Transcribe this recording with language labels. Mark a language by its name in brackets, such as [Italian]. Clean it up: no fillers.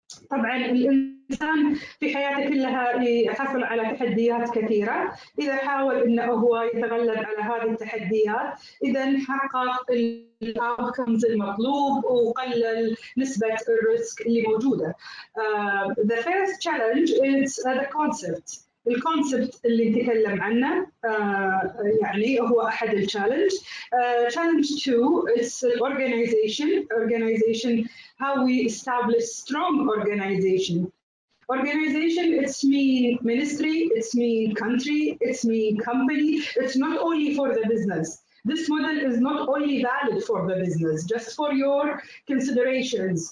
[Arabic] طبعاً الإنسان في حياته كلها يحصل على تحديات كثيرة، إذا حاول أنه هو يتغلب على هذه التحديات، إذا حقق الأوتكمز المطلوب وقلل نسبة الريسك اللي موجودة. [English] The first challenge is the concept. [Arabic] الكونسبت اللي نتكلم عنه يعني هو أحد التشالنج. [English] Challenge 2 is organization. Organization, how we establish strong organization. Organization, it's mean ministry, it's mean country, it's mean company. It's not only for the business. This model is not only valid for the business, just for your considerations.